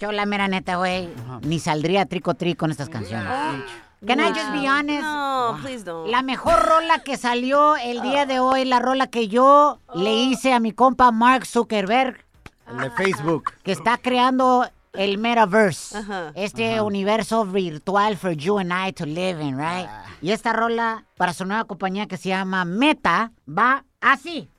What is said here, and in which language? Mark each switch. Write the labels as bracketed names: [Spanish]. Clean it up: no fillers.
[Spanish] Yo la mera neta, güey, ni saldría trico-tri con estas canciones. [English] Can I just be honest? No, please don't. [Spanish] La mejor rola que salió el día de hoy, la rola que yo le hice a mi compa Mark Zuckerberg. El de Facebook. Que está creando el metaverse. Este universo virtual [English] for you and I to live in, right? [Spanish] Y esta rola para su nueva compañía que se llama Meta va así.